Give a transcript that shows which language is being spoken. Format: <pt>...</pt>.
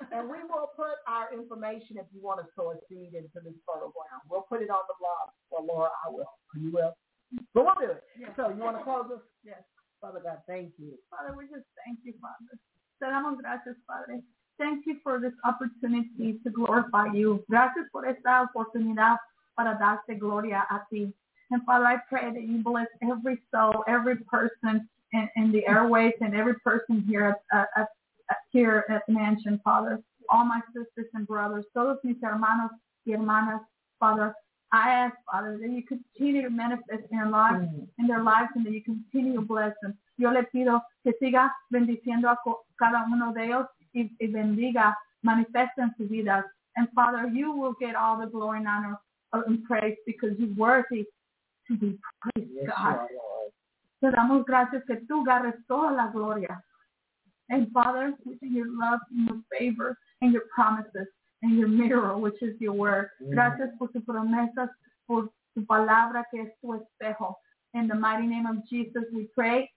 <en>and we will put our information if you want to sow a seed into this fertile ground. We'll put it on the blog. Well, Laura, I will. You will. But we'll do it. Yes. So you want to close us? Yes. Father God, thank you. Father, we just thank you, Father.</en> <es>Salamos gracias, Padre.</es> <en>thank you for this opportunity to glorify you.</en> <es>Gracias por esta oportunidad para darte gloria a ti.</es> <en>And Father, I pray that you bless every soul, every person in the airways and every person here at the mansion, Father. All my sisters and brothers,</en> <es>todos mis hermanos y hermanas,</es> <en>Father, I ask, Father, that you continue to manifest in their lives, in their lives, and that you continue to bless them.</en> <es>Yo le pido que siga bendiciendo a cada uno de ellos y bendiga, manifiesta en su vida.</es> <en>And Father, you will get all the glory and honor and praise because you're worthy to be praised, yes, God.</en> <es>Te damos gracias que tú agarres toda la gloria.</es> <en>And Father, in your love, in your favor, and your promises, and your mirror, which is your word.</en> <es>Gracias por tus promesas, por tu palabra que es tu espejo.</es> <en>In the mighty name of Jesus, we pray.</en>